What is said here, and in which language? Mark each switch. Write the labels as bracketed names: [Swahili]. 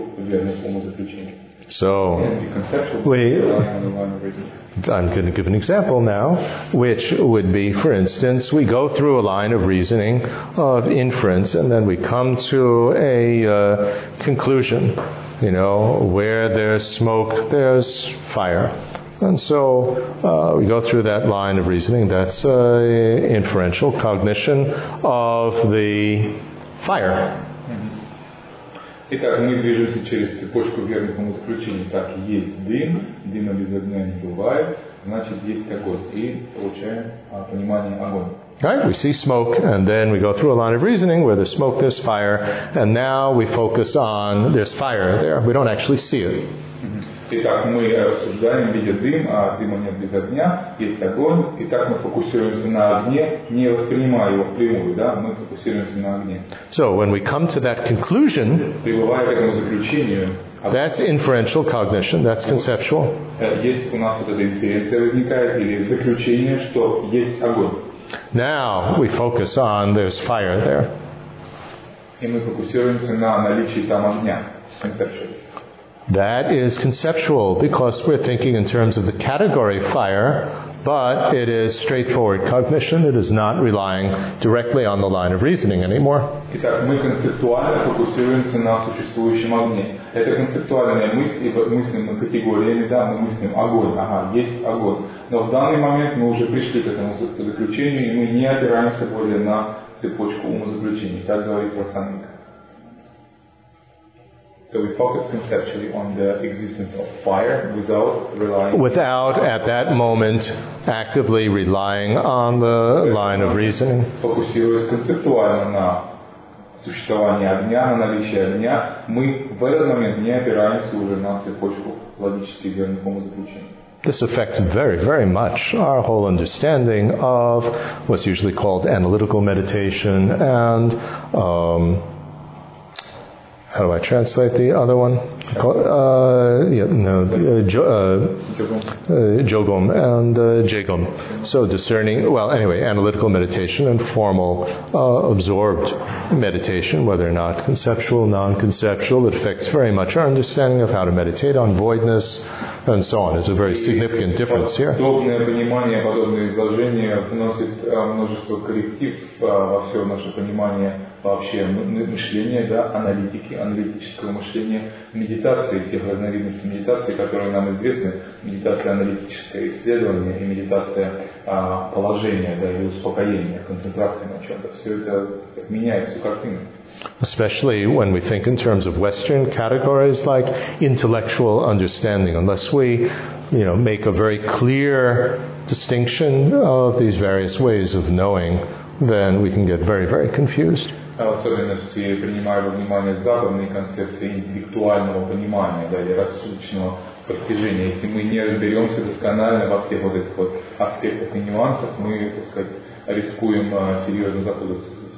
[English] So, I'm going to give an example now, which would be, for instance, we go through a line of reasoning of inference, and then we come to a conclusion, you know, where there's smoke, there's fire. And so, we go through that line of reasoning, that's inferential cognition of the fire. [Russian] Итак, мы движемся через цепочку верных умозаключений. Так, есть дым, дыма без огня не бывает, значит, есть огонь. И получаем понимание огонь. [English] Right, we see smoke, and then we go through a line of reasoning where there's smoke, there's fire, and now we focus on there's fire there. We don't actually see it. [Russian] Итак, мы рассуждаем, видя дым, а дыма нет без огня, есть огонь. Итак, мы фокусируемся на огне, не воспринимая его впрямую, да, мы фокусируемся на огне. [English] So, when we come to that conclusion, [Russian] прибывая к этому заключению, [English] that's inferential cognition, that's conceptual. [Russian] Есть у нас вот эта инференция возникает, или заключение, что есть огонь. [English] Now, we focus on there's fire there. [Russian] И мы фокусируемся на наличии там огня, [English] conceptually. That is conceptual because we're thinking in terms of the category fire But it is straightforward cognition. It is not relying directly on the line of reasoning anymore. [Russian] Итак, мы концептуально фокусируемся на существующем огне. Это концептуальная мысль, ибо мыслим на категориями, да, мы мыслим огонь. Ага, есть огонь. Но в данный момент мы уже пришли к этому заключению, и мы не опираемся более на цепочку умозаключений. Так говорит Васаника. [English] So we focus conceptually on the existence of fire without relying... Without, at that moment, actively relying on the line of reasoning. [Russian] Фокусируясь концептуально на существовании огня, на наличии огня, мы в этот момент не опираемся уже на цепочку логически верных умозаключений. [English] This affects very, very much our whole understanding of what's usually called analytical meditation and... How do I translate the other one? Jogom and Jegom. So discerning, well, anyway, analytical meditation and formal absorbed meditation, whether or not conceptual, non-conceptual, it affects very much our understanding of how to meditate on voidness and so on. It's a very significant difference here. [Russian] Подобное понимание, подобное изложение вносит множество корректив во все наше понимание вообще мышления, да, аналитики, аналитического мышления, медитации, тех разновидностей медитации, которые нам известны, медитация аналитическое исследование и медитация положения, да, и успокоения, концентрации на чем-то. Все это меняет всю картину. [English] Especially when we think in terms of Western categories like intellectual understanding, unless we, you know, make a very clear distinction of these various ways of knowing, then we can get very, very confused. [Russian] Особенности, принимая во внимание западные концепции интеллектуального понимания, да, или рассудочного постижения. Если мы не разберемся досконально во всех вот этих вот аспектах и нюансах, мы, так сказать, рискуем серьезно запутаться.